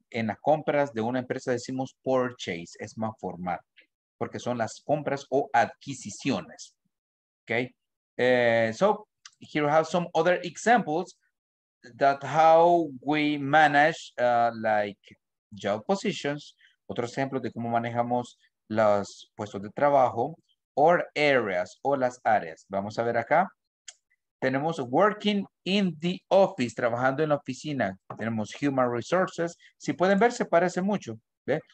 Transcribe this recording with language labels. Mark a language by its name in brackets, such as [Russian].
[Spanish] En las compras de una empresa decimos purchase, es más formal. Porque son las compras o adquisiciones. Okay. [English] So here we have some other examples that how we manage like job positions. [Spanish] Otros ejemplos de cómo manejamos los puestos de trabajo or areas o las áreas. Vamos a ver acá. Tenemos [English] working in the office, [Spanish] trabajando en la oficina. Tenemos human resources. Si pueden ver, se parece mucho. ¿Ve?